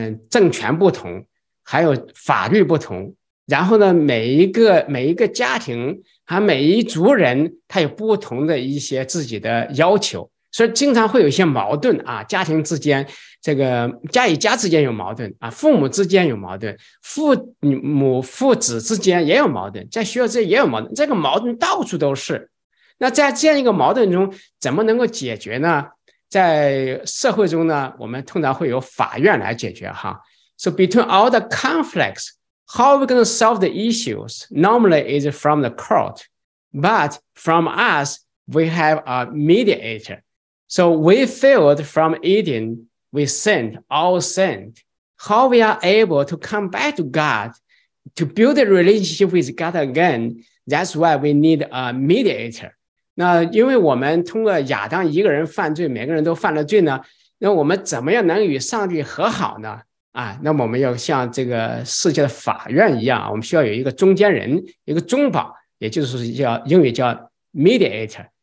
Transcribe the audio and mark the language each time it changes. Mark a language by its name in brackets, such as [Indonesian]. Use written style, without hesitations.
[Chinese] 政权不同，还有法律不同，然后呢每一个家庭还每一族人他有不同的一些自己的要求，所以经常会有一些矛盾啊，家庭之间，这个家与家之间有矛盾啊，父母之间有矛盾，父母父子之间也有矛盾，在学校之间也有矛盾，这个矛盾到处都是。那在这样一个矛盾中怎么能够解决呢？在社会中呢，我们通常会有法院来解决哈。 [English] So between all the conflicts, how are we going to solve the issues? Normally is from the court, but from us, we have a mediator. So we failed from Eden, we sinned, all sinned. How we are able to come back to God, to build a relationship with God again, that's why we need a mediator. [Chinese] 那因为我们通过亚当一个人犯罪，每个人都犯了罪呢，那我们怎么样能与上帝和好呢？啊，那么我们要像这个世界的法院一样，我们需要有一个中间人，一个中保，也就是叫英语叫 [English] mediator。